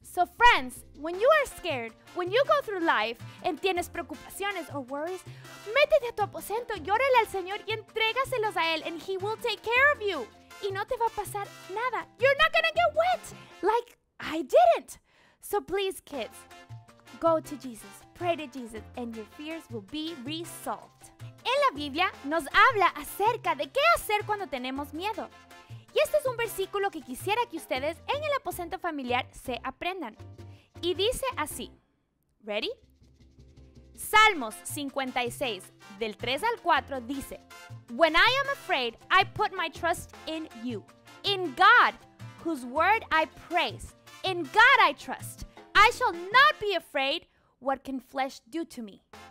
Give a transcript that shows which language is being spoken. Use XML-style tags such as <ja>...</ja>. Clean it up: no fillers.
<en>So friends, when you are scared, when you go through life and</en> <es>tienes preocupaciones</es> <en>or worries,</en> <es>métete a tu aposento, llórale al Señor y entrégaselos a Él,</es> <en>and He will take care of you.</en> <es>Y no te va a pasar nada.</es> <en>You're not gonna get wet like I didn't. So please, kids, go to Jesus. Pray to Jesus and your fears will be resolved.</en> <es>En la Biblia nos habla acerca de qué hacer cuando tenemos miedo. Y este es un versículo que quisiera que ustedes en el aposento familiar se aprendan. Y dice así.</es> <en>Ready?</en> <es>Salmos 56, del 3 al 4, dice,</es> <en>When I am afraid, I put my trust in you. In God, whose word I praise. In God I trust. I shall not be afraid. What can flesh do to me?</en>